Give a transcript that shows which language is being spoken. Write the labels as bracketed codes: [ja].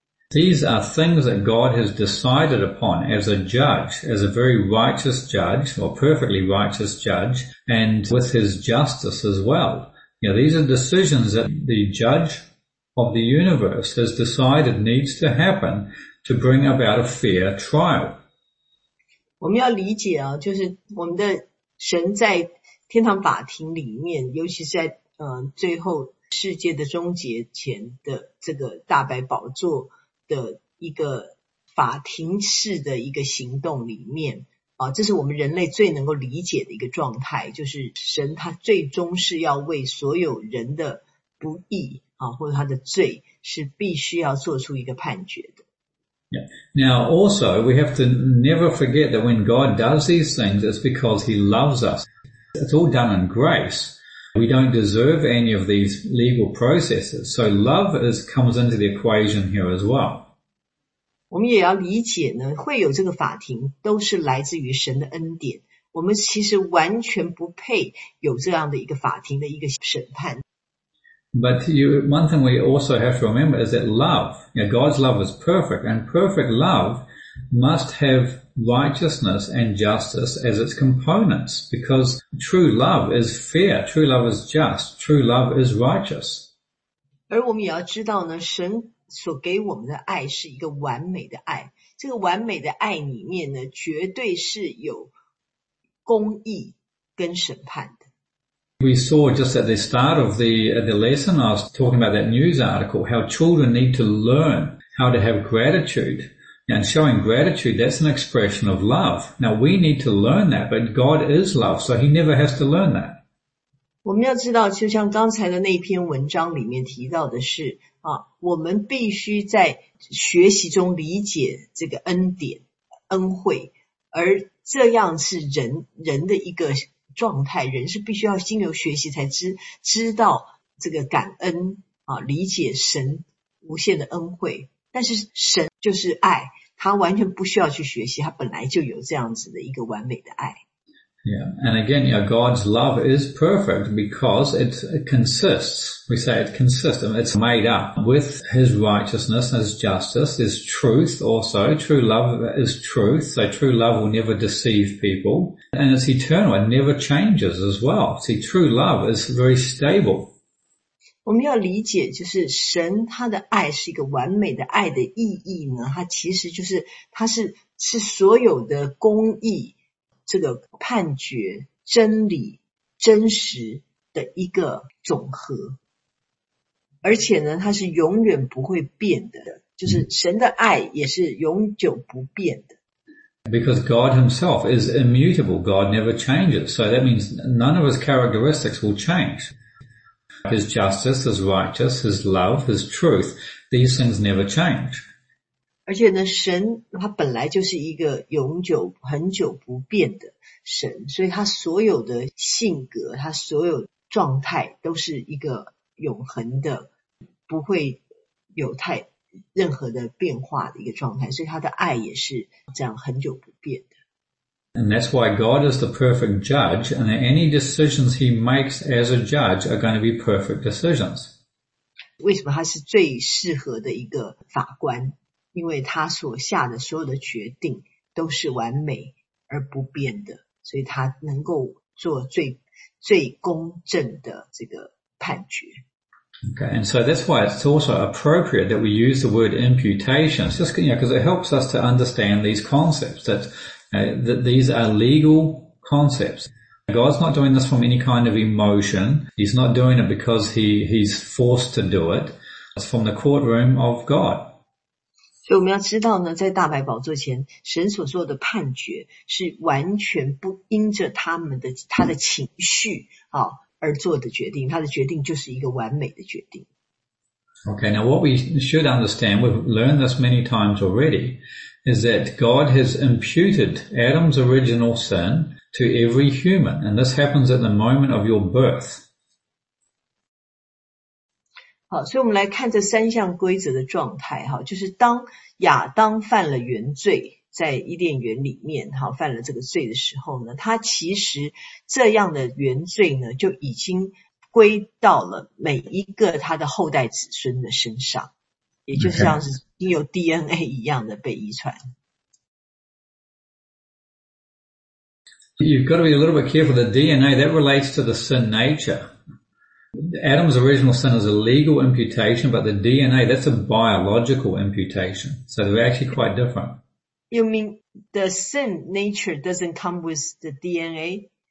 [en] These are things that God has decided upon as a judge, as a very righteous judge, or perfectly righteous judge, and with his justice as well. You know, these are decisions that the judge of the universe has decided needs to happen to bring about a fair trial. [zh] 我们要理解就是我们的神在天堂法庭里面，尤其是在最后世界的终结前的这个大白宝座的一个法庭式的一个行动里面啊，这是我们人类最能够理解的一个状态，就是神他最终是要为所有人的不义啊，或者他的罪是必须要做出一个判决的。 [en] Yeah. Now also, we have to never forget that when God does these things, it's because he loves us. It's all done in grace. We don't deserve any of these legal processes. So love is, comes into the equation here as well. [zh] 我们也要理解呢，会有这个法庭都是来自于神的恩典。我们其实完全不配有这样的一个法庭的一个审判。 [en] But you, one thing we also have to remember is that love, you know, God's love is perfect, and perfect love must have righteousness and justice as its components, because true love is fair, true love is just, true love is righteous. [zh] 而我们也要知道呢，神所给我们的爱是一个完美的爱，这个完美的爱里面呢，绝对是有公义跟审判。 [en] We saw just at the start of the lesson, I was talking about that news article, how children need to learn how to have gratitude. And showing gratitude, that's an expression of love. Now we need to learn that, but God is love, so he never has to learn that. [zh] 我们要知道，就像刚才的那篇文章里面提到的是，啊，我们必须在学习中理解这个恩典，恩惠，而这样是人的一个状态，人是必须要经由学习才知道这个感恩啊，理解神无限的恩惠。但是神就是爱，他完全不需要去学习，他本来就有这样子的一个完美的爱。 [en] Yeah, and again, yeah, God's love is perfect because it consists. We say it consists, and it's made up with His righteousness, His justice, His truth also. True love is truth, so true love will never deceive people. And it's eternal, it never changes as well. See, true love is very stable. [zh] 我们要理解就是神他的爱是一个完美的爱的意义呢，他其实就是他是所有的公义这个判决真理真实的一个总和，而且呢它是永远不会变的，就是神的爱也是永久不变的。 [en] Because God himself is immutable, God never changes, so that means none of his characteristics will change. His justice, his righteous, his love, his truth, these things never change. [zh] 而且呢，神他本来就是一个永久、很久不变的神，所以他所有的性格、他所有状态都是一个永恒的，不会有太任何的变化的一个状态，所以他的爱也是这样很久不变的。 [en] And that's why God is the perfect judge, and any decisions he makes as a judge are going to be perfect decisions. [zh] 为什么他是最适合的一个法官？因为他所下的所有的决定都是完美而不变的，所以他能够做最公正的这个判决。 [en] Okay, and so that's why it's also appropriate that we use the word imputation. It's just, you know, because it helps us to understand these concepts, that these are legal concepts. God's not doing this from any kind of emotion. He's not doing it because he's forced to do it. It's from the courtroom of God. [zh] 所以我们要知道呢，在大白宝座前，神所做的判决是完全不因着他的情绪啊而做的决定，他的决定就是一个完美的决定。 [en] Okay, now what we should understand, we've learned this many times already, is that God has imputed Adam's original sin to every human, and this happens at the moment of your birth. [zh] 好，所以我们来看这三项规则的状态，就是当亚当犯了原罪，在伊甸园里面犯了这个罪的时候呢，他其实这样的原罪呢就已经归到了每一个他的后代子孙的身上，也就是像是经由 DNA 一样的被遗传。 [en] You've got to be a little bit careful, the DNA that relates to the sin nature. Adam's original sin is a legal imputation, but the DNA, that's a biological imputation. So they're actually quite different. You mean the sin nature doesn't come with the DNA?